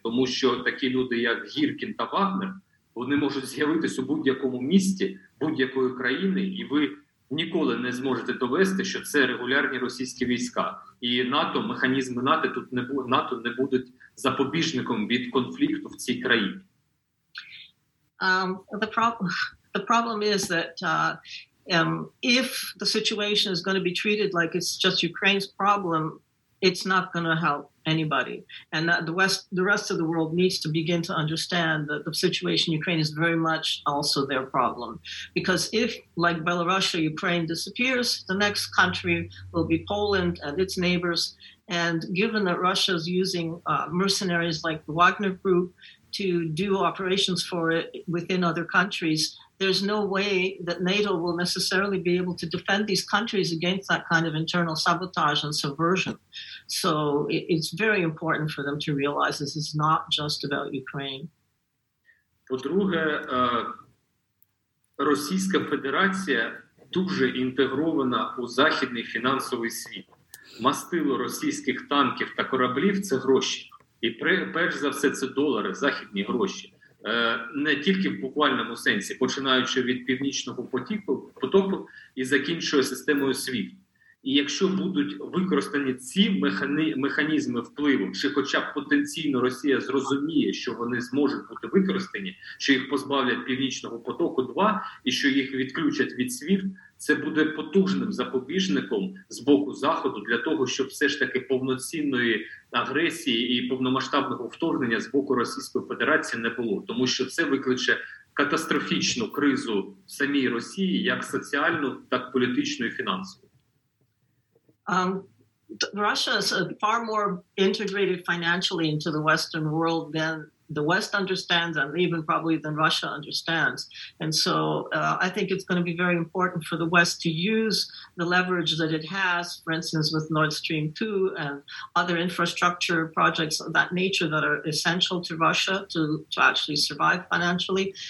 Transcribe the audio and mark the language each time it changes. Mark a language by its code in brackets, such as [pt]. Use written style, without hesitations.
[uk] Тому що такі люди, як Гіркін та Вагнер, вони можуть з'явитися у будь-якому місті будь-якої країни, і ви ніколи не зможете довести, що це регулярні російські війська. І НАТО, механізми НАТО тут не буде, НАТО не буде запобіжником від конфлікту в цій країні. [en] The problem is that if the situation is going to be treated like it's just Ukraine's problem, it's not going to help anybody. And that the rest of the world needs to begin to understand that the situation in Ukraine is very much also their problem. Because if, like Belarus, Ukraine disappears, the next country will be Poland and its neighbors. And given that Russia is using mercenaries like the Wagner Group to do operations for it within other countries, there's no way that NATO will necessarily be able to defend these countries against that kind of internal sabotage and subversion. So it's very important for them to realize this is not just about Ukraine. [uk] По-друге, Російська Федерація дуже інтегрована у західний фінансовий світ. Мастило російських танків та кораблів – це гроші. І перш за все це долари, західні гроші. Не тільки в буквальному сенсі, починаючи від північного потоку і закінчує системою СВІФТ. І якщо будуть використані ці механізми впливу, чи хоча б потенційно Росія зрозуміє, що вони зможуть бути використані, що їх позбавлять північного потоку 2 і що їх відключать від СВІФТ, це буде потужним запобіжником з боку Заходу для того, щоб все ж таки повноцінної агресії і повномасштабного вторгнення з боку Російської Федерації не було. Тому що це викличе катастрофічну кризу в самій Росії, як соціальну, так політичну і фінансову. [en] Russia is far more integrated financially into the Western world than the West understands, and even probably than Russia understands. And so I think it's going to be very important for the West to use the leverage that it has, for instance, with Nord Stream 2 and other infrastructure projects of that nature that are essential to Russia to actually survive financially.